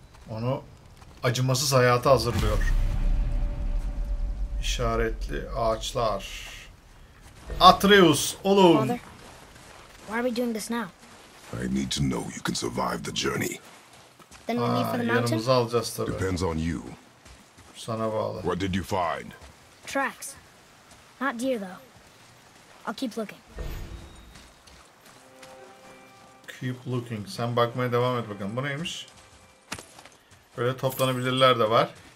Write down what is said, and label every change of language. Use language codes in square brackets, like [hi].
[tr] Onu acımasız hayata hazırlıyor. İşaretli ağaçlar. Atreus, oğlum. [en] Father? Why are we doing this now? I need to know you can survive the journey. Then we leave for the mountain? [tr] Yanımızı alacağız tabii. [en] Depends on you. [tr] Sana bağlı. [en] What did you find? Tracks. Not deer though. I'll keep looking. Keep looking. [tr] Sen bakmaya devam et bakalım. Bu neymiş? Böyle toplanabilirler de var.